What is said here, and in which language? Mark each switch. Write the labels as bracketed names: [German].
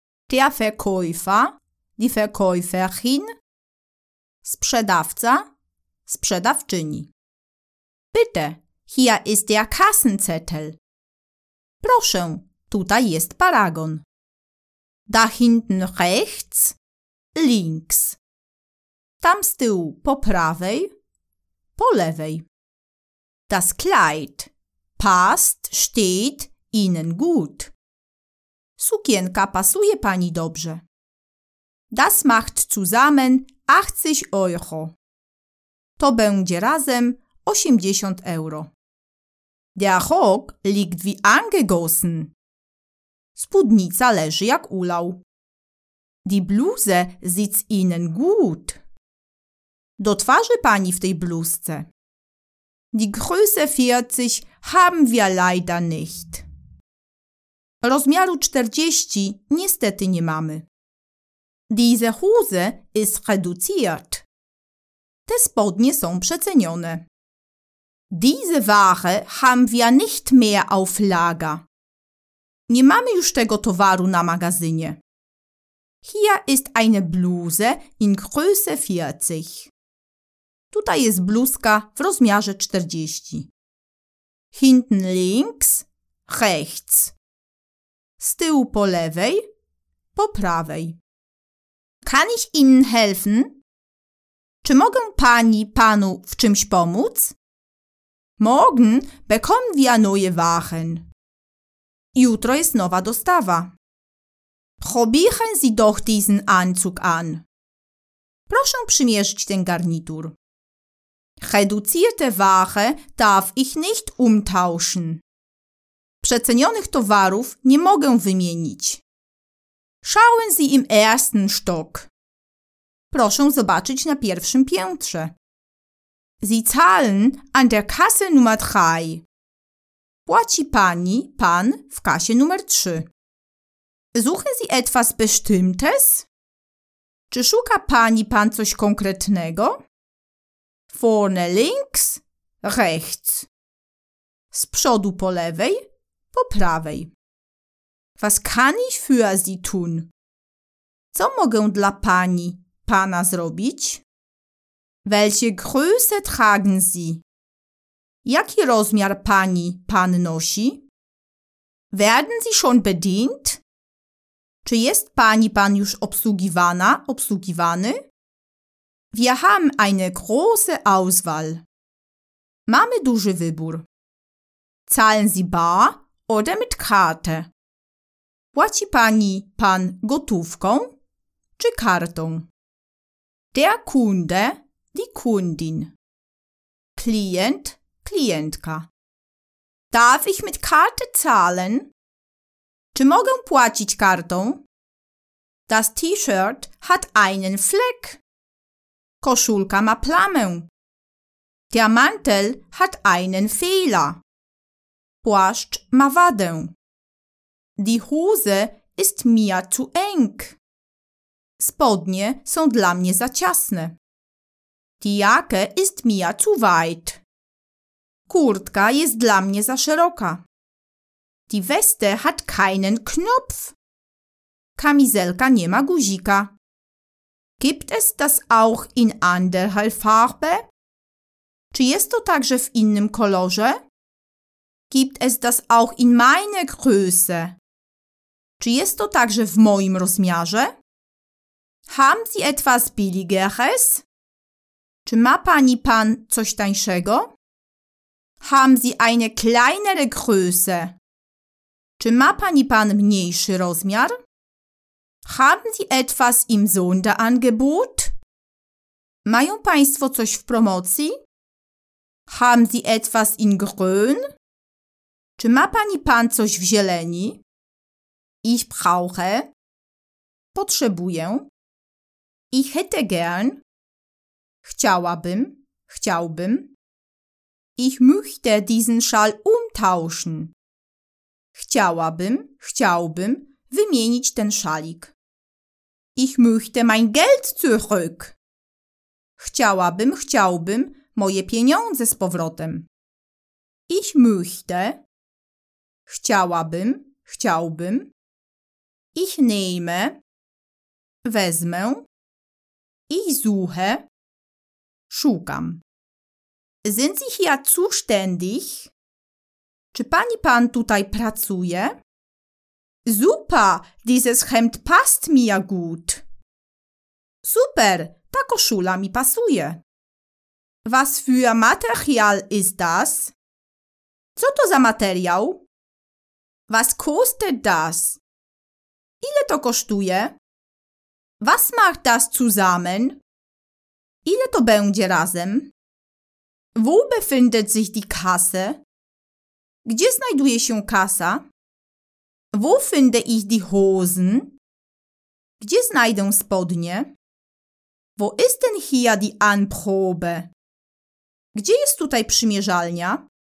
[German] Der Verkäufer, die Verkäuferin. [Polish] Sprzedawca, sprzedawczyni. [German] Bitte, hier ist der Kassenzettel. [Polish] Proszę, tutaj jest paragon. [German] Da hinten rechts, links. [Polish] Tam z tyłu, po prawej, po lewej. [German] Das Kleid passt, steht Ihnen gut. [Polish] Sukienka pasuje Pani dobrze. [German] Das macht zusammen 80 Euro. [Polish] To będzie razem 80 euro. [German] Der Rock liegt wie angegossen. [Polish] Spódnica leży jak ulał. [German] Die Bluse sitzt Ihnen gut. [Polish] Do twarzy Pani w tej bluzce. [German] Die Größe 40 haben wir leider nicht. [Polish] Rozmiaru 40 niestety nie mamy. [German] Diese Hose ist reduziert. [Polish] Te spodnie są przecenione. [German] Diese Ware haben wir nicht mehr auf Lager. [Polish] Nie mamy już tego towaru na magazynie. [German] Hier ist eine Bluse in Größe 40. [Polish] Tutaj jest bluzka w rozmiarze 40. [German] Hinten links, rechts. [Polish] Z tyłu po lewej, po prawej. [German] Kann ich Ihnen helfen? [Polish] Czy mogę Pani, Panu w czymś pomóc? [German] Morgen bekommen wir neue Waren. [Polish] Jutro jest nowa dostawa. [German] Probieren Sie doch diesen Anzug an. [Polish] Proszę przymierzyć ten garnitur. [German] Reduzierte Ware darf ich nicht umtauschen. [Polish] Przecenionych towarów nie mogę wymienić. [German] Schauen Sie im ersten Stock. [Polish] Proszę zobaczyć na pierwszym piętrze. [German] Sie zahlen an der Kasse Nummer 3. [Polish] Płaci Pani, Pan w kasie numer 3. [German] Suchen Sie etwas Bestimmtes? [Polish] Czy szuka Pani, Pan coś konkretnego? [German] Vorne links, rechts. [Polish] Z przodu po lewej, po prawej. [German] Was kann ich für Sie tun? [Polish] Co mogę dla Pani, Pana zrobić? [German] Welche Größe tragen Sie? [Polish] Jaki rozmiar Pani, Pan nosi? [German] Werden Sie schon bedient? [Polish] Czy jest Pani, Pan już obsługiwana, obsługiwany? [German] Wir haben eine große Auswahl. [Polish] Mamy duży wybór. [German] Zahlen Sie bar oder mit Karte? [Polish] Płaci Pani, Pan gotówką czy kartą? [German] Der Kunde, die Kundin. [Polish] Klient, klientka. [German] Darf ich mit Karte zahlen? [Polish] Czy mogę płacić kartą? [German] Das T-Shirt hat einen Fleck. [Polish] Koszulka ma plamę. [German] Der Mantel hat einen Fehler. [Polish] Płaszcz ma wadę. [German] Die Hose ist mir zu eng. [Polish] Spodnie są dla mnie za ciasne. [German] Die Jacke ist mir zu weit. [Polish] Kurtka jest dla mnie za szeroka. [German] Die Weste hat keinen Knopf. [Polish] Kamizelka nie ma guzika. [German] Gibt es das auch in anderer Farbe? [Polish] Czy jest to także w innym kolorze? [German] Gibt es das auch in meiner Größe? [Polish] Czy jest to także w moim rozmiarze? [German] Haben Sie etwas billigeres? [Polish] Czy ma Pani, Pan coś tańszego? [German] Haben Sie eine kleinere Größe? [Polish] Czy ma Pani, Pan mniejszy rozmiar? [German] Haben Sie etwas im Sonderangebot? [Polish] Mają Państwo coś w promocji? [German] Haben Sie etwas in grün? [Polish] Czy ma Pani, Pan coś w zieleni? [German] Ich brauche. [Polish] Potrzebuję. [German] Ich hätte gern. [Polish] Chciałabym. Chciałbym. [German] Ich möchte diesen Schal umtauschen. [Polish] Chciałabym. Chciałbym wymienić ten szalik. [German] Ich möchte mein Geld zurück. [Polish] Chciałabym moje pieniądze z powrotem. [German] Ich möchte. [Polish] Chciałbym. [German] Ich nehme. [Polish] Wezmę. [German] Ich suche. [Polish] Szukam. [German] Sind Sie hier zuständig? [Polish] Czy pani pan tutaj pracuje? [German] Super, dieses Hemd passt mir gut. [Polish] Super, ta koszula mi pasuje. [German] Was für Material ist das? [Polish] Co to za materiał? [German] Was kostet das? [Polish] Ile to kosztuje? [German] Was macht das zusammen? [Polish] Ile to będzie razem? [German] Wo befindet sich die Kasse? [Polish] Gdzie znajduje się kasa? [German] Wo finde ich die Hosen? [Polish] Gdzie znajdę spodnie? [German] Wo ist denn hier die Anprobe? [Polish] Gdzie jest tutaj przymierzalnia?